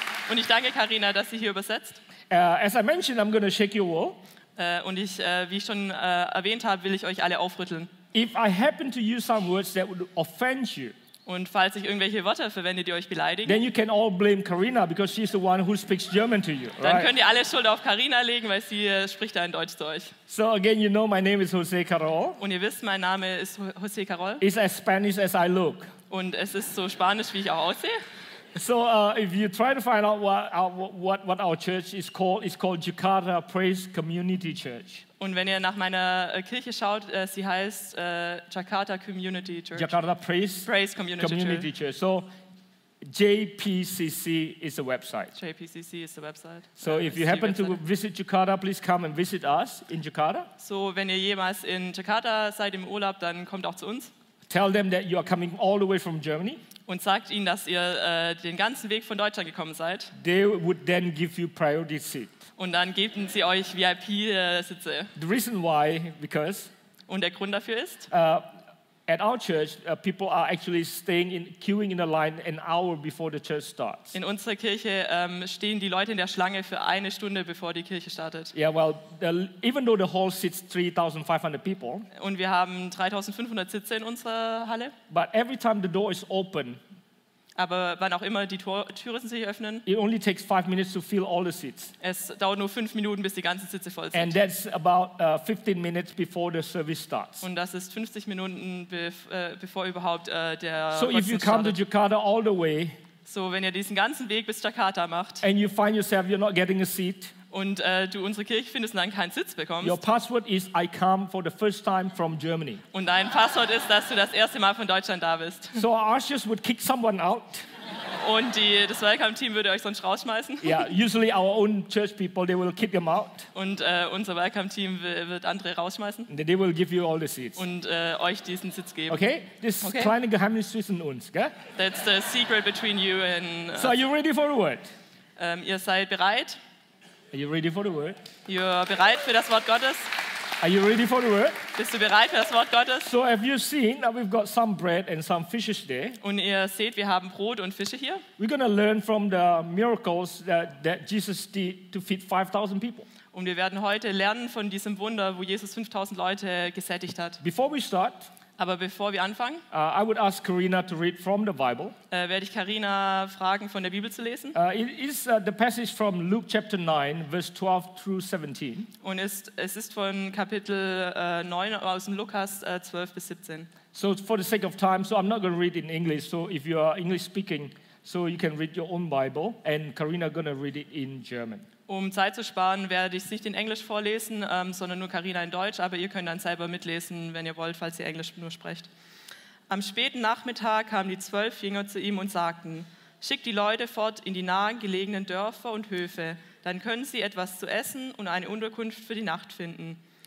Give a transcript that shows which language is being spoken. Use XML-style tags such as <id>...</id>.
<de>Und ich danke Karina, dass sie hier übersetzt.</de> <en>As I mentioned, I'm going to shake your world.</en> <de>Und wie ich schon erwähnt habe, will ich euch alle aufrütteln.</de> <en>If I happen to use some words that would offend you,</en> <de>und falls ich irgendwelche Wörter verwende, die euch beleidigen,</de> <en>then you can all blame Karina because she's the one who speaks German to you.</en> <de>Dann</de> <en>right?</en> <de>Könnt ihr alle Schuld auf Karina legen, weil sie spricht dann Deutsch zu euch.</de> <en>So again, you know my name is Jose Carol.</en> <de>Und ihr wisst, mein Name ist Jose Carol.</de> <en>It's as Spanish as I look.</en> <de>Und es ist so spanisch, wie ich auch aussehe.</de> <en>So if you try to find out what our church is called, it's called Jakarta Praise Community Church.</en> <de>Und wenn ihr nach meiner Kirche schaut, sie heißt Jakarta Community Church.</de> <en>Jakarta Praise Community Church. So JPCC is a website. JPCC is the website. So if you happen to visit Jakarta, please come and visit us in Jakarta.</en> <de>So wenn ihr jemals in Jakarta seid im Urlaub, dann kommt auch zu uns.</de> <en>Tell them that you are coming all the way from Germany.</en> <de>Und sagt ihnen, dass ihr den ganzen Weg von Deutschland gekommen seid.</de> <en>They would then give you priority seat.</en> <de>Und dann geben sie euch VIP-Sitze.</de> <en>The reason why, because.</en> <de>Und der Grund dafür ist.</de> <en>At our church, people are actually staying in queuing in the line an hour before the church starts.</en> <de>In unserer Kirche stehen die Leute in der Schlange für eine Stunde, bevor die Kirche startet.</de> <en>Yeah, well, even though the hall seats 3,500 people.</en> <de>Und wir haben 3,500 Sitze in unserer Halle.</de> <en>But every time the door is open.</en> <de>Aber wann auch immer die Türen sich öffnen.</de> <en>It only takes 5 minutes to fill all the seats.</en> <de>Es dauert nur 5 Minuten, bis die ganzen Sitze voll sind.</de> <en>And that's about 15 minutes before the service starts.</en> <de>Und das ist 50 Minuten bevor überhaupt der.</de> <en>So if you come</en> <de>startet.</de> <en>To Jakarta all the way.</en> <de>So wenn ihr diesen ganzen Weg bis Jakarta macht.</de> <en>And you find yourself you're not getting a seat.</en> <de>Und du unsere Kirche findest und dann keinen Sitz bekommst.</de> <en>Your password is I come for the first time from Germany.</en> <de>Und dein Passwort ist, dass du das erste Mal von Deutschland da bist.</de> <en>So our ushers would kick someone out.</en> <de>Und das Welcome Team würde euch sonst rausschmeißen.</de> <en>Yeah, usually our own church people they will kick them out.</en> <de>Und unser Welcome Team wird andere rausschmeißen.</de> <en>And they will give you all the seats.</en> <de>Und euch diesen Sitz geben.</de> <en>Okay, this okay.</en> <de>Kleine Geheimnis zwischen uns, gell?</de> <en>That's the secret between you and. So are you ready for the word?</en> <de>Ihr seid bereit.</de> <en>Are you ready for the word? You're</en> <de>bereit für das Wort Gottes?</de> <en>Are you ready for the word?</en> <de>Bist du bereit für das Wort Gottes?</de> <en>So have you seen that we've got some bread and some fishes there?</en> <de>Und ihr seht, wir haben Brot und Fische hier.</de> <en>We're going to learn from the miracles that Jesus did to feed 5,000 people.</en> <de>Und wir werden heute lernen von diesem Wunder, wo Jesus 5,000 Leute gesättigt hat.</de> <en>Before we start,</en> <de>aber bevor wir anfangen,</de> <en>I would ask Karina to read from the Bible.</en> <de>Werde ich Karina fragen, von der Bibel zu lesen.</de> <en>It is the passage from Luke chapter 9, verse 12 through 17.</en> <de>Und es ist von Kapitel 9 aus dem Lukas 12 bis 17.</de> <en>So for the sake of time, so I'm not going to read in English. So if you are English speaking, so you can read your own Bible, and Karina going to read it in German.</en> <de>Um Zeit zu sparen, werde ich es nicht in Englisch vorlesen, sondern nur Karina in Deutsch, aber ihr könnt dann selber mitlesen, wenn ihr wollt, falls ihr Englisch nur sprecht. Am späten Nachmittag kamen die 12 Jünger zu ihm und sagten, schickt die Leute fort in die nahen gelegenen Dörfer und Höfe, dann können sie etwas zu essen und eine Unterkunft für die Nacht finden.</de>